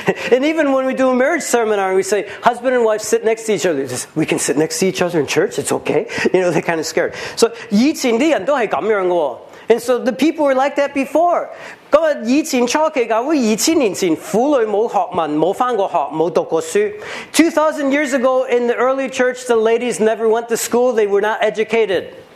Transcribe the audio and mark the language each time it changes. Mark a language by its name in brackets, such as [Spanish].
[English] And even when we do a marriage seminar, we say, husband and wife sit next to each other. Just, we can sit next to each other in church, it's okay. You know, they're kind of scared. [Chinese] So, 以前的人都是这样的。 [English] And so the people were like that before. [Chinese] 以前初期教会2000年前，妇女没学问，没翻过学，没读过书。 [English] 2000 years ago, in the early church, the ladies never went to school, they were not educated.